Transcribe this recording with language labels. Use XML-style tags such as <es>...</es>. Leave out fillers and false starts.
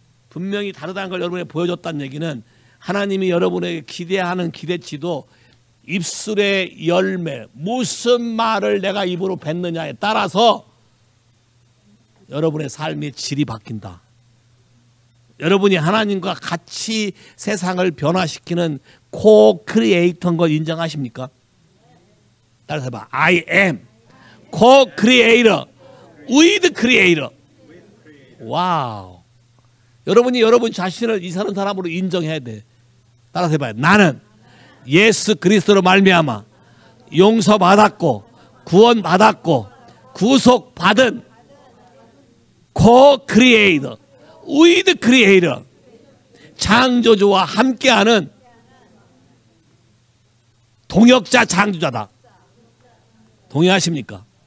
<ko>분명히 다르다는 걸 여러분에게 보여줬다는 얘기는 하나님이 여러분에게 기대하는 기대치도 입술의 열매, 무슨 말을 내가 입으로 뱉느냐에 따라서 여러분의 삶의 질이 바뀐다. 여러분이 하나님과 같이 세상을 변화시키는 코크리에이터인 걸 인정하십니까? 따라서 해봐.</ko> <en>I am 코크리에이터 with 크리에이터.</en> <ko>와우. 여러분이 여러분 자신을 이사는 사람으로 인정해야 돼. 따라서 해봐요. 나는 예수 그리스도로 말미암아 용서받았고 구원받았고 구속받은</ko> <en>코크리에이터 위드 크리에이터</en> <ko>창조주와 함께하는 동역자 창조자다. 동의하십니까?</ko>